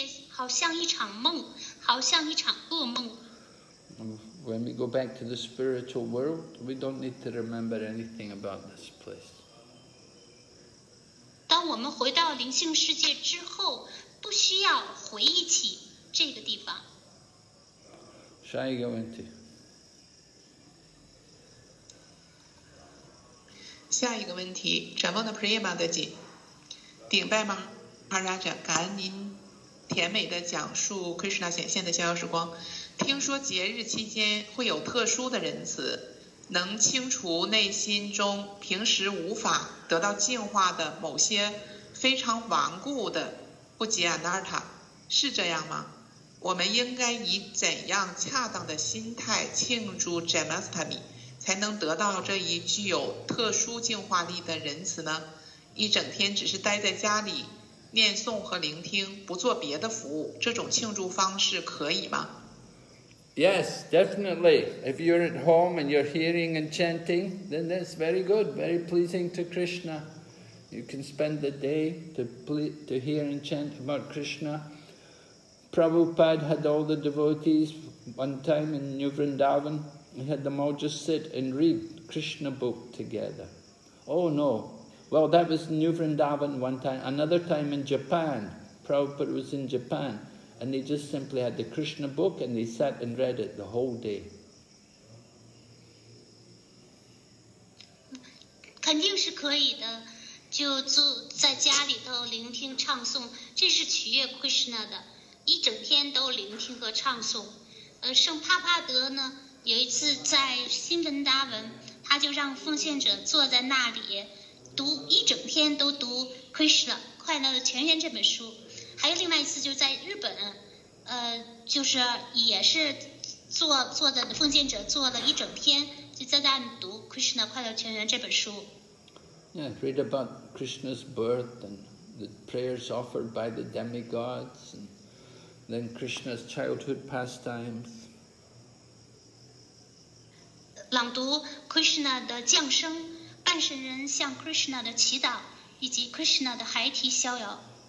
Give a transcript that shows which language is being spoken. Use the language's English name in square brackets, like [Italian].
[Chinese] 好像一场梦，好像一场噩梦。 [English] When we go back to the spiritual world, we don't need to remember anything about this place. [Chinese] 当我们回到灵性世界之后，不需要回忆起这个地方。下一个问题。下一个问题，展望的 Priya 马德吉，顶拜马哈拉扎，感恩您。甜美的讲述 Krishna 显现的逍遥时光。听说节日期间会有特殊的仁慈，能清除内心中平时无法得到净化的某些非常顽固的不吉安达尔塔，是这样吗？我们应该以怎样恰当的心态庆祝 Janmashtami 才能得到这一具有特殊净化力的仁慈呢？一整天只是待在家里念诵和聆听，不做别的服务，这种庆祝方式可以吗？ [English] Yes, definitely. If you're at home and you're hearing and chanting, then that's very good, very pleasing to Krishna. You can spend the day to hear and chant about Krishna. Prabhupada had all the devotees one time in New Vrindavan. He had them all just sit and read Krishna book together. Oh no. Well, that was New Vrindavan one time. Another time in Japan, Prabhupada was in Japan, and they just simply had the Krishna book and they sat and read it the whole day. [Chinese] 肯定是可以的，就坐在家里头聆听唱诵，这是取悦 Krishna 的，一整天都聆听和唱诵。圣帕帕德呢，有一次在新文达文，他就让奉献者坐在那里读一整天，都读 Krishna 快乐的泉源这本书。还有另外一次就是在日本，就是也是坐的奉献者坐了一整天，就在那里读 Krishna 快乐泉源这本书。 [English] Yeah, read about Krishna's birth and the prayers offered by the demigods, and then Krishna's childhood pastimes. [Chinese] 朗读 Krishna 的降生，半神人向 Krishna 的祈祷，以及 Krishna 的孩提逍遥。